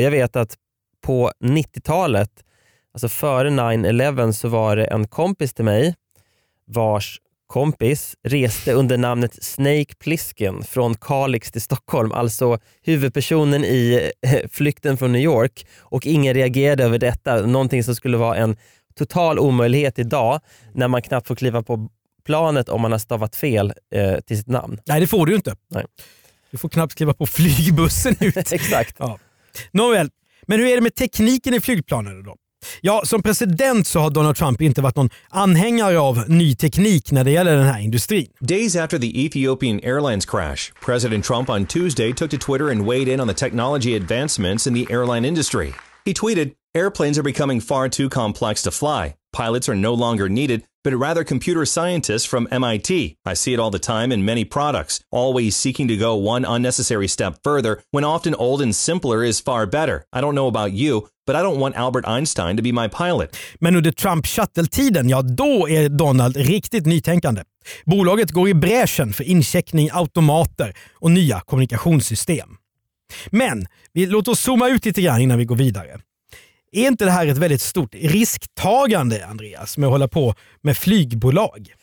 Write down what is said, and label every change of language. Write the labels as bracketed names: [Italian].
[Swedish] Jag vet att på 90-talet, alltså före 9-11, så var det en kompis till mig vars kompis reste under namnet Snake Plissken från Kalix till Stockholm, alltså huvudpersonen i Flykten från New York, och ingen reagerade över detta, någonting som skulle vara en total omöjlighet idag när man knappt får kliva på planet om man har stavat fel till sitt namn. Nej, det får du ju inte. Nej. Du får knappt kliva på flygbussen ut. Exakt. Ja. Nåväl, men hur är det med tekniken i flygplanen då? Ja, som president så har Donald Trump inte varit någon anhängare av ny teknik när det gäller den här industrin. [English] Days after the Ethiopian Airlines crash, President Trump on Tuesday took to Twitter and weighed in on the technology advancements in the airline industry. He tweeted, "Airplanes are becoming far too complex to fly. Pilots are no longer needed, but rather computer scientists from MIT. I see it all the time in many products, always seeking to go one unnecessary step further, when often old and simpler is far better. I don't know about you, but I don't want Albert Einstein to be my pilot." [Swedish] Men under Trump Shuttle-tiden, ja, då är Donald riktigt nytänkande. Bolaget går i bräschen för incheckning, automater och nya kommunikationssystem. Men vi låter oss zooma ut lite grann innan vi går vidare. Är inte det här ett väldigt stort risktagande, Andreas, med att hålla på med flygbolag?